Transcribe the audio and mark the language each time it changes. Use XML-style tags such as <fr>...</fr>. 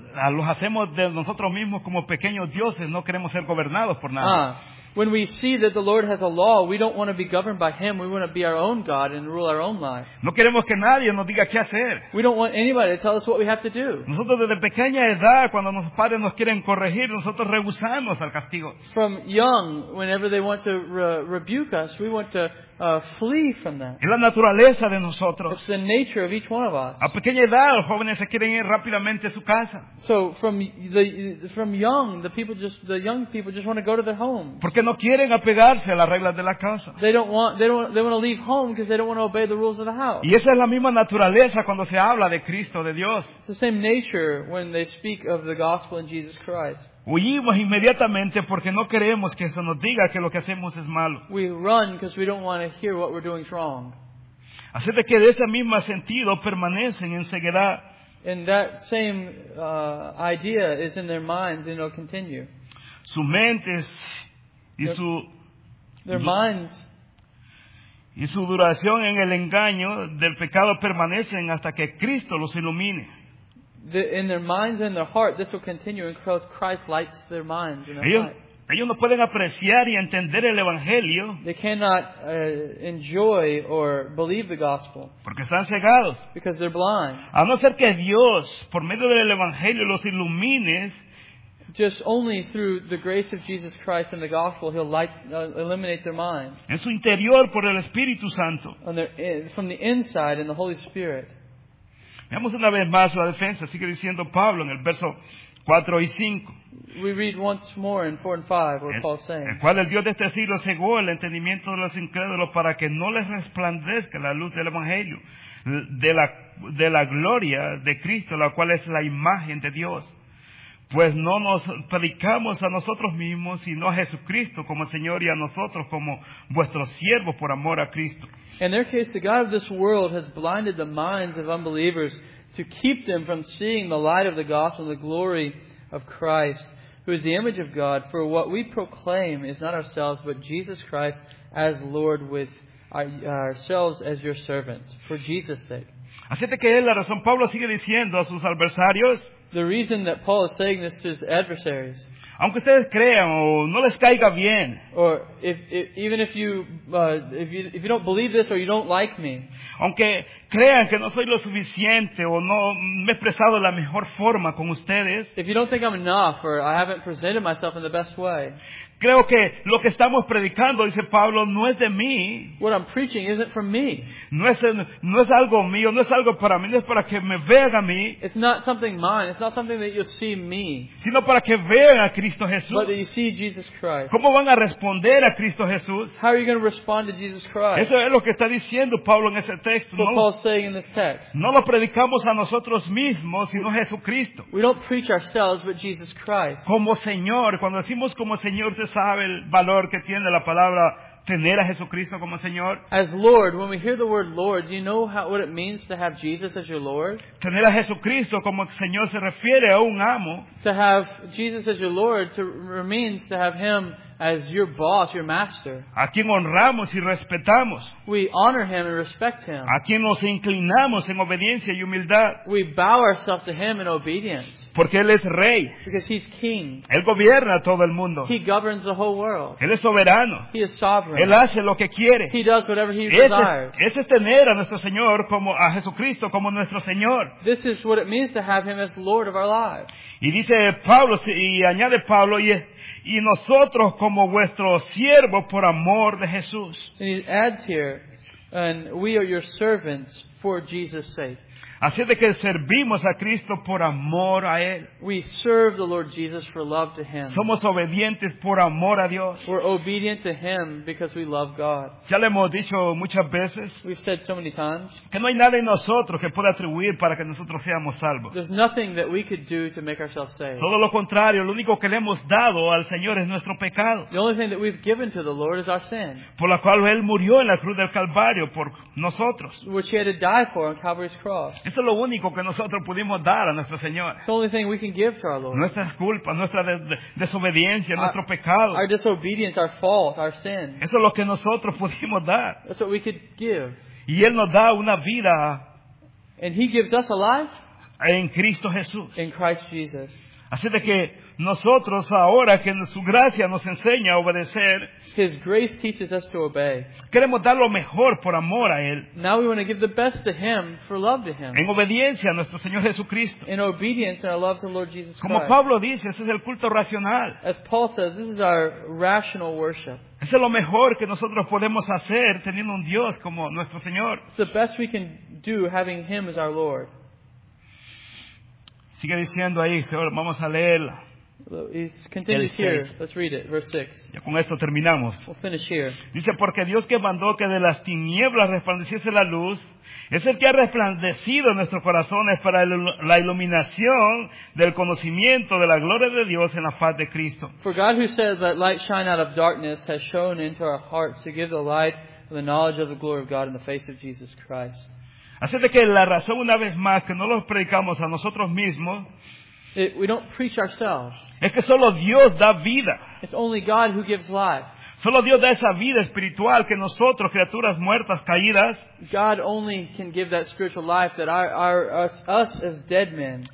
<es>los hacemos de nosotros mismos como pequeños dioses, no queremos ser gobernados por nada.</es> <en>When we see that the Lord has a law, we don't want to be governed by Him. We want to be our own God and rule our own life.</en> <es>No queremos que nadie nos diga qué hacer.</es> <en>We don't want anybody to tell us what we have to do.</en> <es>Nosotros desde pequeña edad, cuando nuestros padres nos quieren corregir, nosotros rehusamos al castigo.</es> <en>From young, whenever they want to rebuke us, we want to flee from that.</en> <es>Es la naturaleza de nosotros.</es> <en>It's the nature of each one of us.</en> <es>A pequeña edad, los jóvenes se quieren ir rápidamente a su casa.</es> <en>So from young, the young people just want to go to their home.</en> <es>Porque no quieren apegarse a las reglas de la casa.</es> <en>They want to leave home because they don't want to obey the rules of the house.</en> <es>Y esa es la misma naturaleza cuando se habla de Cristo, de Dios.</es> <en>It's the same nature when they speak of the gospel in Jesus Christ.</en> <es>Huimos inmediatamente porque no queremos que eso nos diga que lo que hacemos es malo.</es> <en>We run because we don't want to hear what we're doing wrong.</en> <es>Así de que de ese mismo sentido permanecen en ceguedad.</es> <en>And that same idea is in their minds and it'll continue.</en> <es>Su mente es, y su,</es> <en>their minds,</en> <es>y su duración en el engaño del pecado permanecen hasta que Cristo los ilumine.</es> <en>In their minds and their heart, this will continue until Christ lights their minds.</en> <es>Ellos no pueden apreciar y entender el evangelio.</es> <en>They cannot enjoy or believe the gospel.</en> <es>Porque están cegados.</es> <en>Because they're blind.</en> <es>A no ser que Dios, por medio del evangelio, los ilumine.</es> <en>Just only through the grace of Jesus Christ and the gospel, He'll eliminate their minds.</en> <es>En su interior, por el Espíritu Santo.</es> <en>From the inside, in the Holy Spirit.</en> <es>Veamos una vez más la defensa. Sigue diciendo Pablo en el verso 4 y 5.</es> <en>We read once more in 4 and 5 what Paul's saying.</en> <es>El cual el Dios de este siglo cegó el entendimiento de los incrédulos para que no les resplandezca la luz del Evangelio de la gloria de Cristo, la cual es la imagen de Dios. Pues no nos predicamos a nosotros mismos, sino a Jesucristo como Señor y a nosotros como vuestros siervos por amor a Cristo.</es> <en>In their case, the God of this world has blinded the minds of unbelievers to keep them from seeing the light of the gospel and the glory of Christ, who is the image of God. For what we proclaim is not ourselves, but Jesus Christ as Lord, with ourselves as your servants, for Jesus' sake.</en> <es>Así que es la razón. Pablo sigue diciendo a sus adversarios.</es> <en>The reason that Paul is saying this to his adversaries.</en> <es>Aunque ustedes crean o no les caiga bien.</es> <en>Or if you don't believe this or you don't like me.</en> <es>Aunque crean que no soy lo suficiente o no me he expresado de la mejor forma con ustedes.</es> <en>If you don't think I'm enough or I haven't presented myself in the best way.</en> <es>Creo que lo que estamos predicando, dice Pablo, no es de mí.</es> <en>What I'm preaching isn't from me.</en> <es>No es algo mío, no es algo para mí, no es para que me vean a mí.</es> <en>It's not something mine, it's not something that you'll see me.</en> <es>Sino para que vean a Cristo Jesús.</es> <en>But you see Jesus Christ.</en> <es>¿Cómo van a responder a Cristo Jesús?</es> <en>How are you going to respond to Jesus Christ?</en> <es>Eso es lo que está diciendo Pablo en ese texto.</es> <en>What Paul's saying in this text.</en> <es>No lo predicamos a nosotros mismos, sino a Jesucristo.</es> <en>We don't preach ourselves, but Jesus Christ.</en> <es>Como Señor, cuando decimos como Señor, sabe el valor que tiene la palabra tener a Jesucristo como Señor.</es> <en>As Lord, when we hear the word Lord, do you know what it means to have Jesus as your Lord?</en> <es>Tener a Jesucristo como Señor se refiere a un amo.</es> <en>To have Jesus as your Lord means to have Him as your boss, your master.</en> <es>A quien honramos y respetamos.</es> <en>We honor Him and respect Him.</en> <es>A quien nos inclinamos en obediencia y humildad.</es> <en>We bow ourselves to Him in obedience.</en> <es>Porque Él es Rey.</es> <en>Because He's King.</en> <es>Él gobierna todo el mundo.</es> <en>He governs the whole world.</en> <es>Él es soberano.</es> <en>He is sovereign.</en> <es>Él hace lo que quiere.</es> <en>He does whatever He desires.</en> <es>Ese es tener a nuestro Señor como a Jesucristo como nuestro Señor.</es> <en>This is what it means to have Him as Lord of our lives.</en> <es>Y dice Pablo, y añade Pablo, y nosotros como vuestro siervo por amor de Jesús.</es> <en>And he adds here, and we are your servants for Jesus' sake.</en> <es>Así de que servimos a Cristo por amor a Él.</es> <en>We serve the Lord Jesus for love to Him.</en> <es>Somos obedientes por amor a Dios.</es> <en>We're obedient to Him because we love God.</en> <es>Ya le hemos dicho muchas veces.</es> <en>We've said so many times.</en> <es>Que no hay nada en nosotros que pueda atribuir para que nosotros seamos salvos.</es> <en>There's nothing that we could do to make ourselves saved.</en> <es>Todo lo contrario, lo único que le hemos dado al Señor es nuestro pecado.</es> <en>The only thing that we've given to the Lord is our sin.</en> <es>Por la cual Él murió en la cruz del Calvario por nosotros.</es> <en>Which He had to die for on Calvary's cross.</en> <es>Esto es lo único que nosotros pudimos dar a nuestro Señor.</es> <en>It's the only thing we can give to our Lord.</en> <es>Nuestras culpas, nuestra desobediencia, nuestro pecado.</es> <en>Our disobedience, our fault, our sin.</en> <es>Eso es lo que nosotros pudimos dar.</es> <en>That's what we could give.</en> <es>Y Él nos da una vida.</es> <en>And He gives us a life.</en> <es>En Cristo Jesús.</es> <en>In Christ Jesus.</en> <es>Así de que nosotros ahora que su gracia nos enseña a obedecer,</es> <en>His grace teaches us to obey.</en> <es>Queremos dar lo mejor por amor a Él.</es> <en>Now we want to give the best to Him for love to Him.</en> <es>En obediencia a nuestro Señor Jesucristo.</es> <en>In obedience and our love to the Lord Jesus Christ.</en> <es>Como Pablo dice, ese es el culto racional.</es> <en>As Paul says, this is our rational worship.</en> <es>Es lo mejor que nosotros podemos hacer teniendo un Dios como nuestro Señor.</es> <en>It's the best we can do having Him as our Lord.</en> <es>Sigue diciendo ahí, vamos a leerla.</es> <en>Continues here. Let's read it, verse 6.</en> <es>Ya con esto terminamos.</es> <en>We'll finish here.</en> <es>Dice, porque Dios que mandó que de las tinieblas resplandeciese la luz, es el que ha resplandecido nuestros corazones para la iluminación del conocimiento de la gloria de Dios en la faz de Cristo.</es> <en>For God who says that light shine out of darkness has shone into our hearts to give the light of the knowledge of the glory of God in the face of Jesus Christ.</en> <es>Así de que la razón, una vez más, que no los predicamos a nosotros mismos,</es> <en>we don't preach ourselves.</en> <es>Es que solo Dios da vida.</es> <en>It's only God who gives life.</en> <es>Solo Dios da esa vida espiritual que nosotros, criaturas muertas, caídas,</es> <en>God only can give that spiritual life that us as dead men</en>